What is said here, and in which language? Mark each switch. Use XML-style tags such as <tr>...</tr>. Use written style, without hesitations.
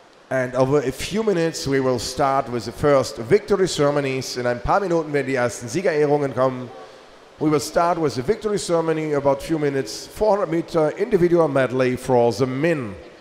<en>And over a few minutes we will start with the first victory ceremonies.</en> <de>In ein paar Minuten werden die ersten Siegerehrungen kommen.</de> <en>We will start with the victory ceremony about a few minutes, 400 meter individual medley for the men.</en>